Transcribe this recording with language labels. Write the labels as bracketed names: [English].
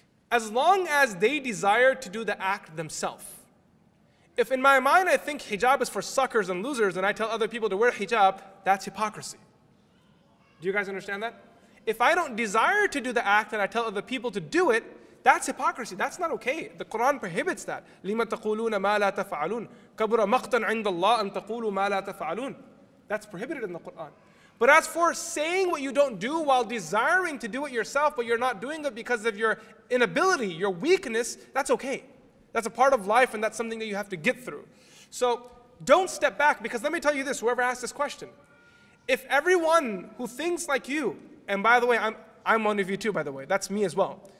[English] As long as they desire to do the act themselves. If in my mind I think hijab is for suckers and losers and I tell other people to wear hijab, that's hypocrisy. Do you guys understand that? If I don't desire to do the act and I tell other people to do it, that's hypocrisy. That's not okay. The Quran prohibits that. [Arabic] لِمَ تَقُولُونَ مَا لَا تَفَعَلُونَ كَبُرَ مَقْتًا عِنْدَ اللَّهِ أَن تَقُولُوا مَا لَا تَفَعَلُونَ [English] That's prohibited in the Quran. But as for saying what you don't do while desiring to do it yourself, but you're not doing it because of your inability, your weakness, that's okay. That's a part of life and that's something that you have to get through. So don't step back, because let me tell you this, whoever asked this question. If everyone who thinks like you, and by the way, I'm one of you too, by the way, that's me as well.